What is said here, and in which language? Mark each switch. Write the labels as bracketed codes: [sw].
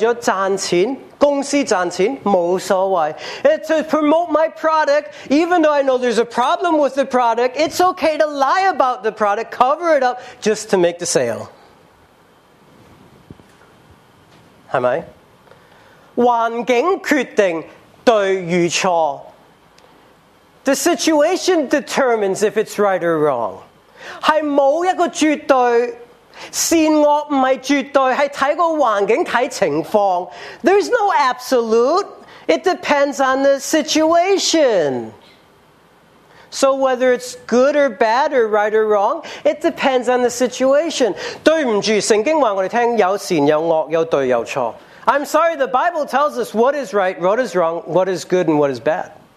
[zh] 为了推销我这个货品，讲少少，我明知是有些瑕疵的，为了赚钱，公司赚钱，无所谓。 [en] To promote my product, even though I know there's a problem with the product, it's okay to lie about the product, cover it up, just to make the sale. [zh] 是不是？环境决定对与错。 [en] The situation determines if it's right or wrong. [zh] 是没有一个绝对，善恶不是绝对，是看个环境，看情况。 [en] There's no absolute. It depends on the situation. So whether it's good or bad or right or wrong, it depends on the situation. [zh] 对不起，圣经话我们听，有善有恶，有对有错。 [en] I'm sorry, the Bible tells us what is right, what is wrong, what is good, and what is bad.